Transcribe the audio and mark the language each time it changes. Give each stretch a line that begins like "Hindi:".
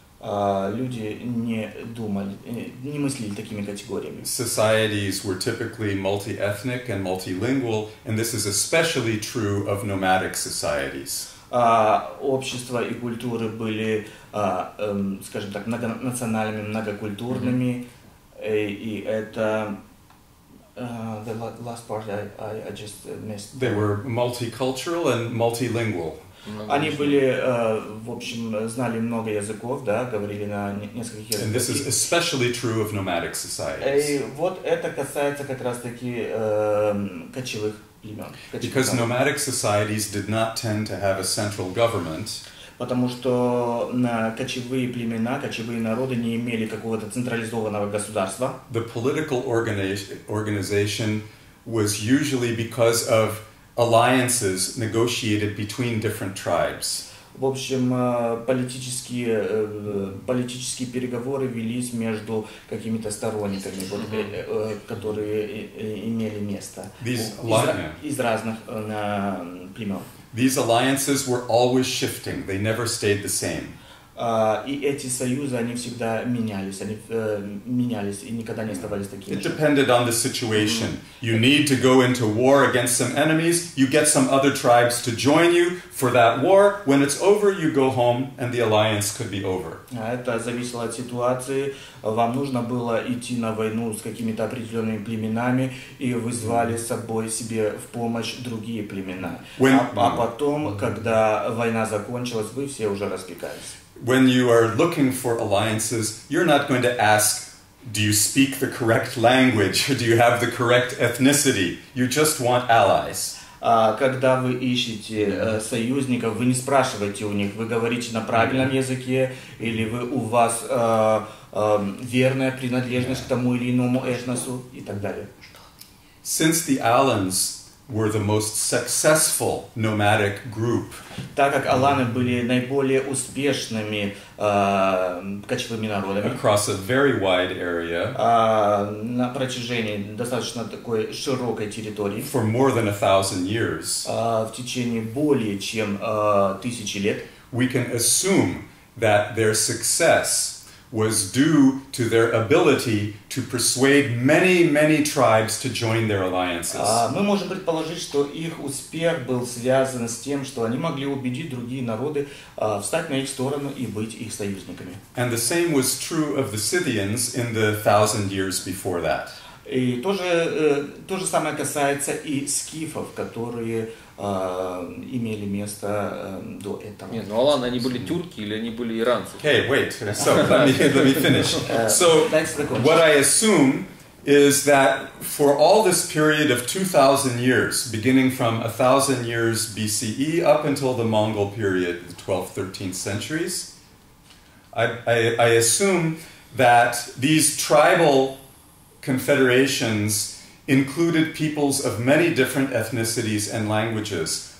Russian: Люди не думали, не мыслили такими категориями.
English: Societies were typically multi-ethnic and multilingual, and this is especially true of nomadic societies.
Russian: Общества и культуры были, скажем так, многонациональными, многокультурными, и это
English: the last part I just missed. They were multicultural and multilingual.
Russian: Они были, в общем, знали много языков, да, говорили на нескольких языках.
English: And this is especially true of nomadic societies.
Russian: И вот это касается как раз-таки кочевых племен.
English: Because nomadic societies did not tend to have a central government.
Russian: потому что кочевые племена, кочевые народы не имели какого-то централизованного государства.
English: The political organization was usually because of alliances negotiated between different tribes.
Russian: В общем, политические переговоры велись между какими-то сторонниками, которые имели место из разных племен.
English: These alliances were always shifting. They never stayed the same.
Russian: И эти союзы, они всегда менялись. Они менялись и никогда не оставались такими.
English: It depended on the situation. You need to go into war against some enemies. You get some other tribes to join you for that war. When it's over, you go home and the alliance could be over.
Russian: Это зависело от ситуации. Вам нужно было идти на войну с какими-то определенными племенами, и вы звали с собой себе в помощь другие племена. А потом, когда война закончилась, вы все уже распекались.
English: When you are looking for alliances, you're not going to ask, do you speak the correct language? Do you have the correct ethnicity? You just want allies.
Russian: Когда вы ищете союзников, вы не спрашиваете у них, вы говорите на правильном языке, или вы у вас верная принадлежность к тому или иному этносу, и так далее.
English: Since the Alans were the most successful nomadic group.
Russian: Так как Аланы были наиболее успешными кочевыми народами.
English: Across a very wide area.
Russian: На протяжении достаточно такой широкой территории.
English: For more than 1,000 years.
Russian: В течение более чем тысячи лет.
English: We can assume that their success was due to their ability to persuade many, many tribes to join their alliances.
Russian: Мы можем предположить, что их успех был связан с тем, что они могли убедить другие народы встать на их сторону и быть их союзниками.
English: And the same was true of the Scythians in the 1,000 years before that.
Russian: И то же самое касается и скифов, которые имели место до этого. Нет, ну а ладно, они были тюрки или они были иранцы?
English: Hey, wait, so let me finish. So what I assume is that for all this period of 2,000 years, beginning from 1,000 years BCE up until the Mongol period, the 12th, 13th centuries, I assume that these tribal confederations included peoples of many different ethnicities and languages.